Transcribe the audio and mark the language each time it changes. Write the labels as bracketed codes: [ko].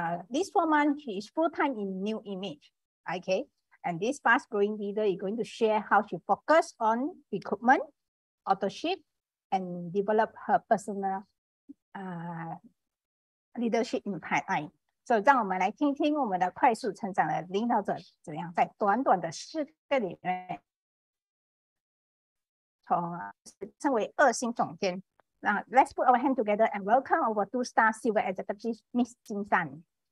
[en] This 4 months she is full-time in new image. Okay. And this fast-growing leader is going to share how she focused on recruitment, authorship, and develop her personal leadership in pipeline. [zh] So, 让我们来听听我们的快速成长的领导者怎样在短短的四个里面，从身为二星总监。 [en] Now, let's put our hand together and welcome our two-star silver executive, Miss Jin San.